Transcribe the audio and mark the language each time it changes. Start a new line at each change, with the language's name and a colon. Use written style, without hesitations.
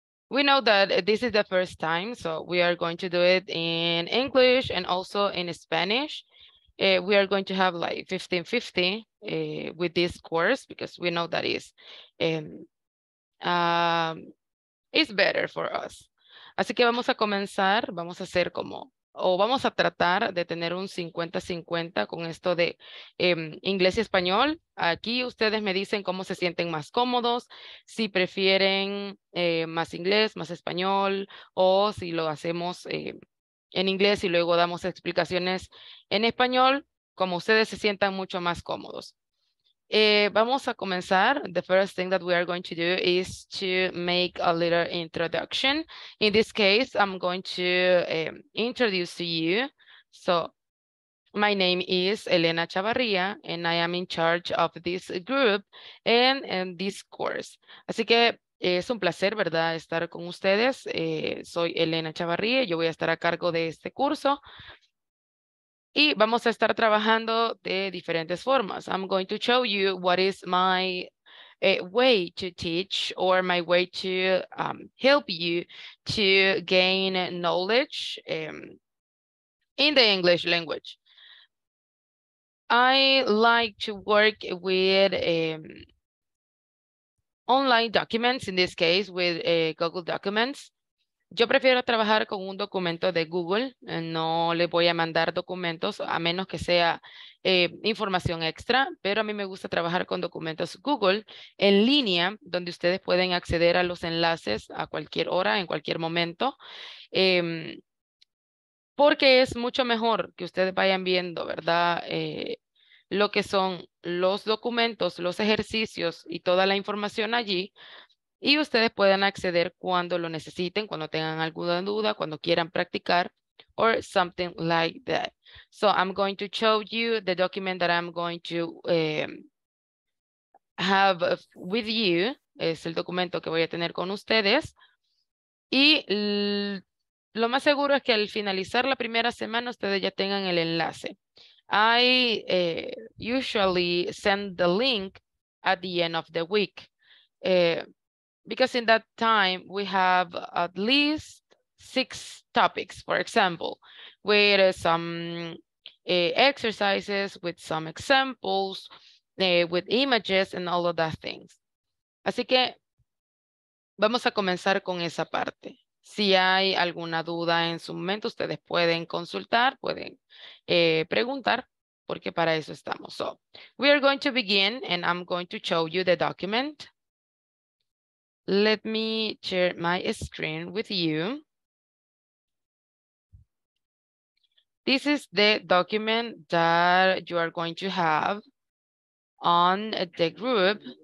English: We know that this is the first time, so we are going to do it in English and also in Spanish. We are going to have like 15-50 with this course because we know that is better for us.
Spanish: Así que vamos a comenzar, vamos a hacer como, o vamos a tratar de tener un 50-50 con esto de inglés y español. Aquí ustedes me dicen cómo se sienten más cómodos, si prefieren más inglés, más español, o si lo hacemos en inglés y luego damos explicaciones en español, como ustedes se sientan mucho más cómodos. Vamos a comenzar.
English: The first thing that we are going to do is to make a little introduction. In this case, I'm going to introduce to you. So my name is Elena Chavarría and I am in charge of this group and this course.
Spanish: Así que es un placer, ¿verdad?, estar con ustedes. Soy Elena Chavarría, yo voy a estar a cargo de este curso. Y vamos a estar trabajando de diferentes formas.
English: I'm going to show you what is my way to teach or my way to help you to gain knowledge in the English language. I like to work with online documents, in this case with Google Documents.
Spanish: Yo prefiero trabajar con un documento de Google. No le voy a mandar documentos a menos que sea información extra, pero a mí me gusta trabajar con documentos Google en línea, donde ustedes pueden acceder a los enlaces a cualquier hora, en cualquier momento, porque es mucho mejor que ustedes vayan viendo, ¿verdad? Lo que son los documentos, los ejercicios y toda la información allí, y ustedes puedan acceder cuando lo necesiten, cuando tengan alguna duda, cuando quieran practicar,
English: or something like that. So I'm going to show you the document that I'm going to have with you.
Spanish: Es el documento que voy a tener con ustedes. Y lo más seguro es que al finalizar la primera semana, ustedes ya tengan el enlace.
English: I usually send the link at the end of the week. Because in that time, we have at least 6 topics, for example, with some exercises, with some examples, with images and all of that things.
Spanish: Así que vamos a comenzar con esa parte. Si hay alguna duda en su momento, ustedes pueden consultar, pueden preguntar, porque para eso estamos.
English: So we are going to begin and I'm going to show you the document. Let me share my screen with you. This is the document that you are going to have on the group.